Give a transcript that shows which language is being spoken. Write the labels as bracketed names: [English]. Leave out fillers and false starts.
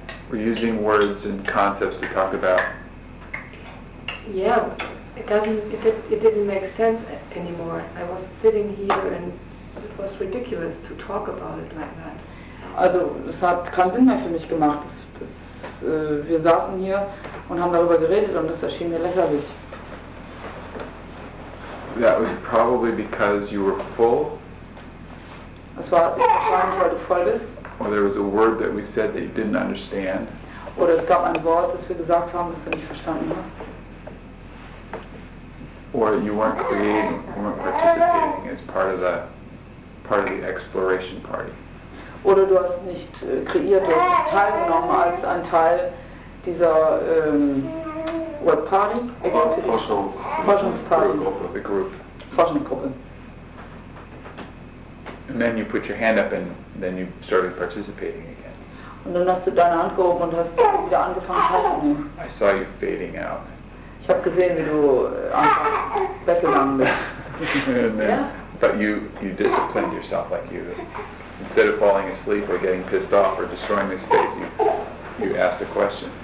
[English] We're using words and concepts to talk about. Yeah, it didn't make sense anymore. I was sitting here and it was ridiculous to talk about it like that. [German] Also, es hat keinen Sinn mehr für mich gemacht. Wir saßen hier und haben darüber geredet und das erschien mir lächerlich. [English] That was probably because you were full. [German] Das war wahrscheinlich, weil du voll bist. [English] Or there was a word that we said that you didn't understand. [German] Oder es gab ein Wort, das wir gesagt haben, das du nicht verstanden hast. [English] Or you weren't creating, you weren't participating as part of the exploration party. [German] Oder du hast nicht kreiert, du hast nicht teilgenommen als ein Teil dieser [English] what party? [German] Forschungsparty. [English] The group. [German] Forschungsgruppe. [English] And then you put your hand up and then you started participating again. [German] Und dann hast du deine Hand gehoben und hast wieder angefangen teilzunehmen. [English] I saw you fading out. [German] Ich habe gesehen, wie du einfach weggegangen bist. [English] Then, yeah? But you disciplined yourself, like you, instead of falling asleep or getting pissed off or destroying the space, you asked a question.